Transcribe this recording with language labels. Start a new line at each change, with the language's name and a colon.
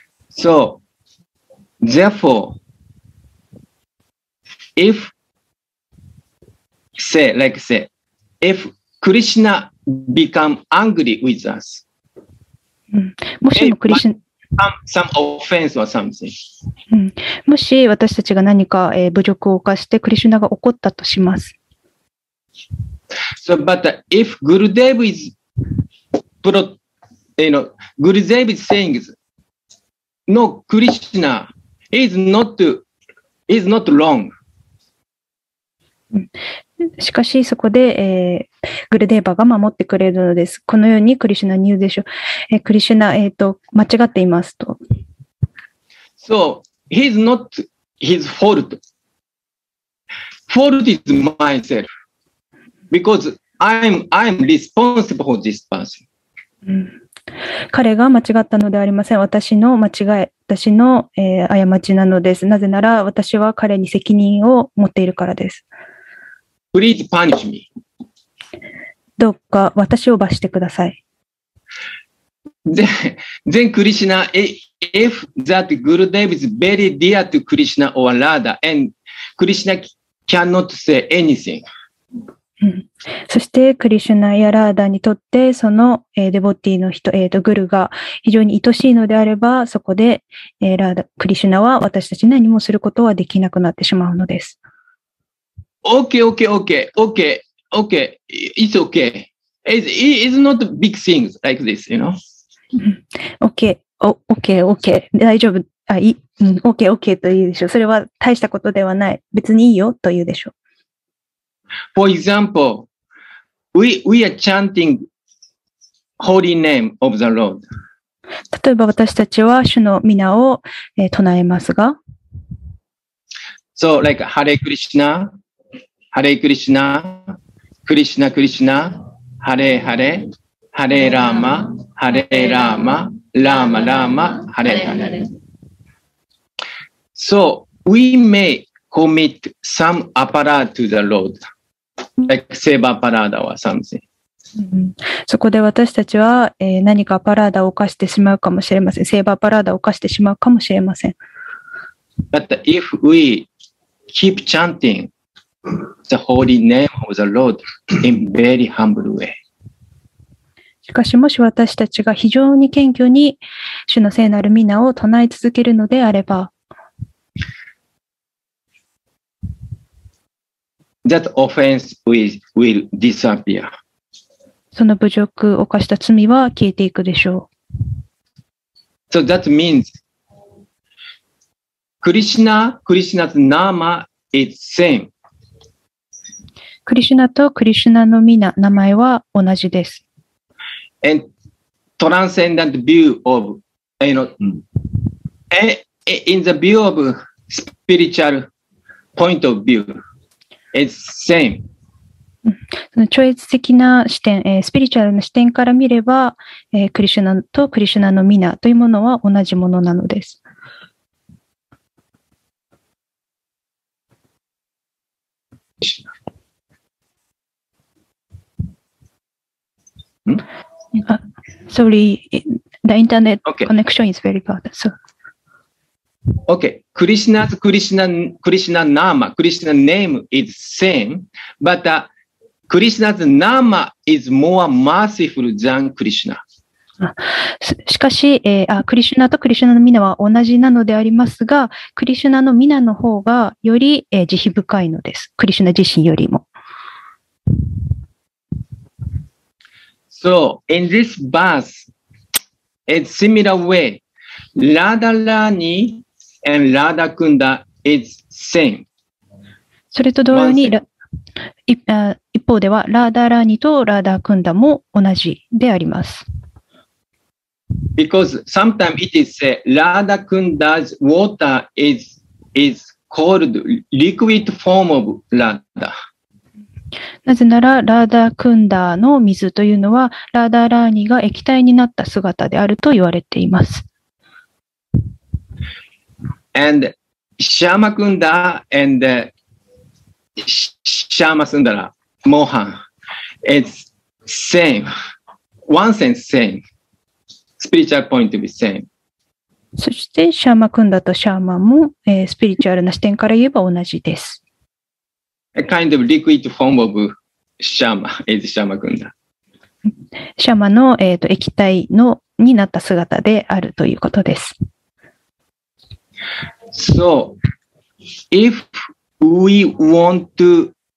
English: So, therefore, if, say, like say, if Krishna become angry with us,
Japanese: もしもクリシナ、
English: some offense or something.
Japanese: もし私たちが何か侮辱を犯してクリシナが怒ったとします。
English: So, but if Gurudev is Gurudev is saying, no, Krishna is not wrong.
Japanese: しかしそこで、グルデーバが守ってくれるのです。このようにクリシュナに言うでしょう。クリシュナ、間違っていますと。
English: So, he's not his fault. Fault is myself. Because I'm responsible for this person.
Japanese: 彼が間違ったのではありません。私の間違い、私の、過ちなのです。なぜなら私は彼に責任を持っているからです。
English: Please punish me.
Japanese: どうか私を罰してください。
English: Then Krishna, if that Gurudev is very dear to Krishna or Radha, and Krishna cannot say anything.
Japanese: そしてクリシュナやラーダにとってそのデボティの人、グルが非常に愛しいのであればそこでラーダクリシュナは私たち何もすることはできなくなってしまうのです。
English: OK It's OK It's not big things like this you know
Japanese: OK 大丈夫あい、うん、OK と言うでしょう。それは大したことではない、別にいいよと言うでしょう。
English: For example, we are chanting holy name of the Lord.
Japanese: 例えば私たちは主の御名を唱えますが。
English: So, like, Hare Krishna, Hare Krishna, Krishna Krishna, Hare Hare, Hare Rama, Hare Rama, Rama Rama, Hare Hare. So, we may commit some apparatus to the Lord, like Seva Parada or something.
Japanese: そこで私たちは、何かパラダを犯してしまうかもしれません。セーバーパラダを犯してしまうかもしれません。
English: But if we keep chanting the holy name of the Lord in very humble way.
Japanese: しかしもし私たちが非常に謙虚に主の聖なる御名を唱え続けるのであれば、
English: That offense will disappear.
Japanese: その侮辱を犯した罪は消えていくでしょう。
English: So that means Krishna, Krishna's name is same.
Japanese: クリシュナとクリシュナの名前は同じです。
English: And transcendent view of, you know, in the view of spiritual point of view, it's same.
Japanese: その超越的な視点、スピリチュアルな視点から見れば、クリシュナとクリシュナのミナというものは同じものなのです。
English: Sorry, the internet connection is very bad. So. Okay, Krishna's Krishna, Krishna Nama, Krishna name is same, but Krishna's nama is more merciful than Krishna.
Japanese: しかし、クリシュナとクリシュナのミナは同じなのでありますが、クリシュナのミナの方がより、慈悲深いのです。クリシュナ自身よりも。
English: So, in this verse, a similar way, Radha Rani and Radha Kunda is same.
Japanese: それと同様に、一方ではラーダーラーニとラーダークンダも同じであります。
English: Because sometimes it is said ラーダークンダ's water is called liquid form of ラーダ。
Japanese: なぜならラーダークンダの水というのはラーダーラーニが液体になった姿であると言われています。
English: And シャーマクンダ andシャーマスンダラ、モハン、it's same, one sense same, spiritual point to be same.
Japanese: そしてシャーマクンダとシャーマも、スピリチュアルな視点から言えば同じです。
English: A kind of liquid form of シャーマ is シャーマクンダ。
Japanese: シャーマの、液体のになった姿であるということです。
English: So, if we want to